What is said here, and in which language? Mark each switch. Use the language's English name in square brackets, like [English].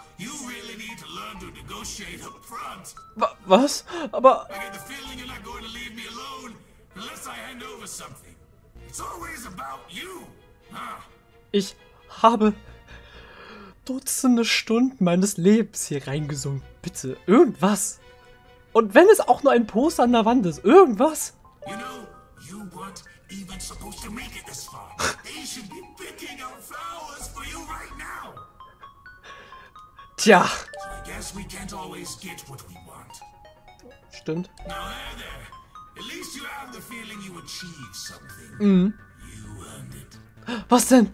[English] You really need to learn to negotiate up front. [German] Was? Aber. [English] I get the feeling you're not going to leave me alone unless I hand over something. It's always about you, huh? [German] Ich habe dutzende Stunden meines Lebens hier reingesunken. Bitte, irgendwas. Und wenn es auch nur ein Poster an der Wand ist, irgendwas. [English] You know, you weren't even supposed to make it this far. They should be picking out flowers for you right now. [German] Tja. [English] So I guess we can't always get what we want. [German] Stimmt. [English] Now there, there. At least you have the feeling you achieved something. Mhm. [German] Was denn?